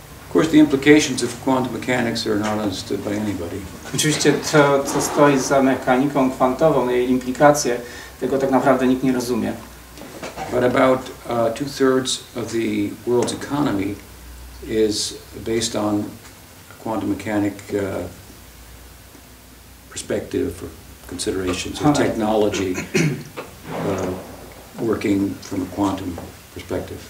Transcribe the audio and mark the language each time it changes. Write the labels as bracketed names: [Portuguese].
[English] Of course, the implications of quantum mechanics are not understood by anybody. [Polish] Oczywiście to, co stoi za mechaniką kwantową, jej implikacje, tego tak naprawdę nikt nie rozumie. [English] But about 2/3 of the world's economy is based on quantum mechanic perspective or considerations of technology working from a quantum perspective.